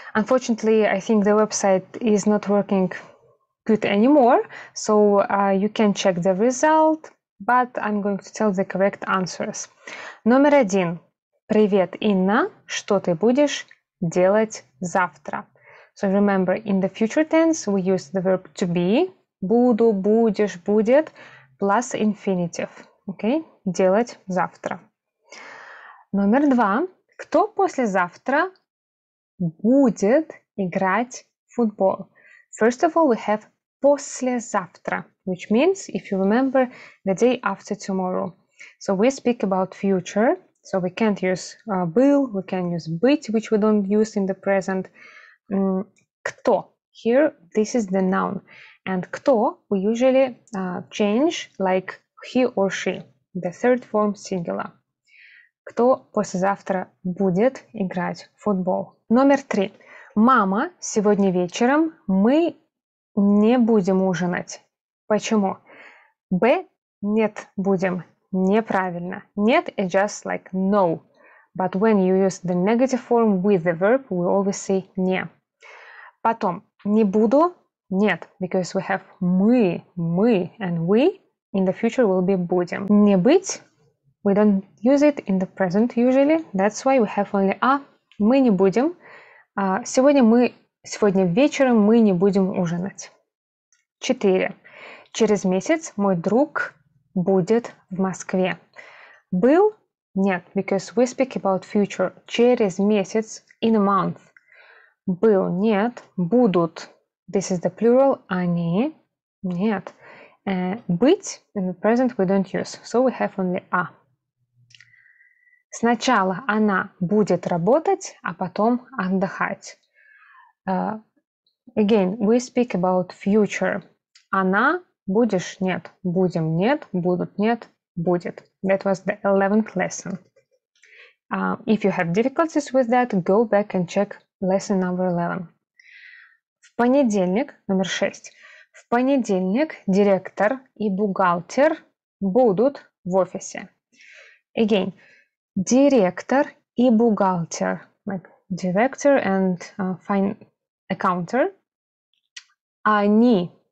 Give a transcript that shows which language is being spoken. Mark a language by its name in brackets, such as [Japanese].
[English] Unfortunately, I think the website is not working good anymore, so you can check the result, but I'm going to tell the correct answers. [Russian] Номер один. Привет, Инна. Что ты будешь делать завтра? [English] So remember, in the future tense, we use the verb to be. [Russian] Буду, будешь, будет, [English] plus infinitive. Okay? [Russian] Делать завтра. Номер два. Кто послезавтра будет играть в футбол? [English] First of all, we have послезавтра, which means, if you remember, the day after tomorrow. So we speak about future, so we can't use был, we can use быть, which we don't use in the present. Кто? Here, this is the noun. And кто we usually change like he or she, the third form singular. [Russian] Кто послезавтра будет играть в футбол? Номер три. Мама, сегодня вечером мы не будем ужинать. Почему? Б. Нет, будем. Неправильно. [English] Нет, it's just like no. But when you use the negative form with the verb, we always say не. [Russian] Потом. Не буду. Нет. [English] Because we have мы, and we in the future will be будем. [Russian] Не быть. [English] We don't use it in the present usually. That's why we have only a. [Russian] Мы не будем. Сегодня вечером мы не будем ужинать. 4. Через месяц мой друг будет в Москве. Был? Нет, [English] because we speak about future. [Russian] Через месяц, [English] in a month. [Russian] Был? Нет. Будут? [English] This is the plural. [Russian] Они? Нет. Быть? [English] In the present we don't use. So we have only a. [Russian] Сначала она будет работать, а потом отдыхать. [English] Again, we speak about future. [Russian] Она будешь? Нет. Будем? Нет. Будут? Нет. Будет. [English] That was the 11th lesson. If you have difficulties with that, go back and check lesson number 11. [Russian] В понедельник, номер 6. В понедельник директор и бухгалтер будут в офисе. [English] Again, [Russian] директор и бухгалтер. [English] Like director and accounter. Они.